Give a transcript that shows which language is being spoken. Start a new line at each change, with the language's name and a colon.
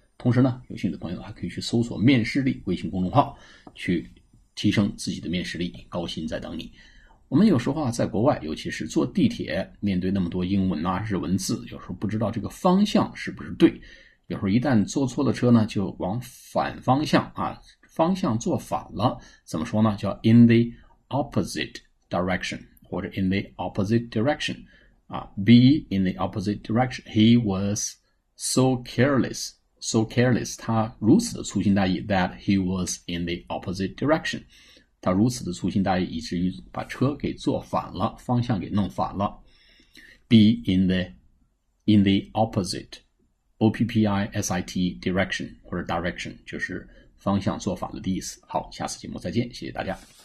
Chinese: 同时呢，有兴趣的朋友还可以去搜索面试力微信公众号，去提升自己的面试力，高薪在等你。我们有时候啊，在国外，尤其是坐地铁，面对那么多英文啊、日文字，有时候不知道这个方向是不是对。有时候一旦坐错了车呢，就往反方向啊，方向坐反了，怎么说呢？
English: 叫 in the opposite direction 或者 in the opposite direction 啊 ，be in the opposite direction. He was so careless, so careless. 他如此的粗心大意 that he was in the opposite direction.
Chinese: 他如此的粗心大意，以至于把车给坐反了，方向给弄反了。 Be in the opposite. O-P-P-I-S-I-T-E, direction, 或者 direction, 就是方向做法的意思。好，下次节目再见，谢谢大家。